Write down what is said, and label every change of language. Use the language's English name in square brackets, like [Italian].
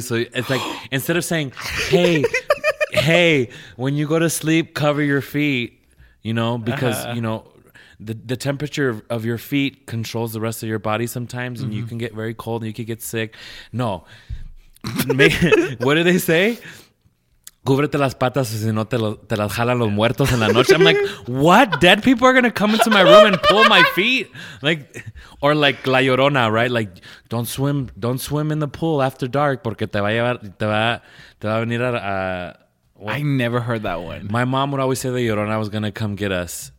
[English] So it's like, instead of saying, hey, when you go to sleep, cover your feet, you know, because, you know, the temperature of your feet controls the rest of your body sometimes, and you can get very cold and you can get sick. No. What do they say? [Spanish] Cúbrete las patas si no te las jalan los muertos en la noche. [English] I'm like, what? Dead people are going to come into my room and pull my feet? Like, or like La Llorona, right? Like, don't swim in the pool after dark [Spanish] porque te va a venir a... [English] I never heard that one. My mom would always say the Llorona was going to come get us.